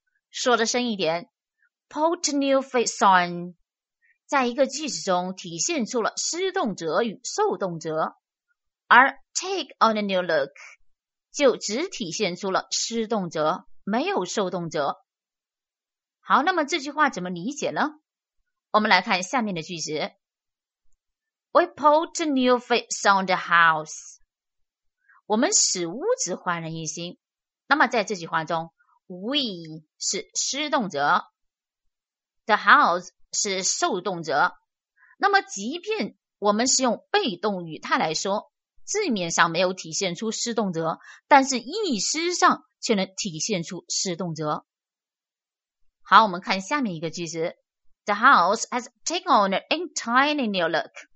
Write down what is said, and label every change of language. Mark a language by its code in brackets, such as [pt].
[zh] 说得深一点， [en] Put a new face on [zh] 在一个句子中体现出了施动者与受动者，而 [en] take on a new look [zh] 就只体现出了施动者，没有受动者。好，那么这句话怎么理解呢？我们来看下面的句子。 [en] We put a new face on the house. [zh] 我们使屋子焕然一新。那么在这句话中， We 是施动者， The house 是受动者。那么即便我们是用被动语态来说，字面上没有体现出施动者，但是意思上却能体现出施动者。好，我们看下面一个句子。 [en] The house has taken on an entirely new look.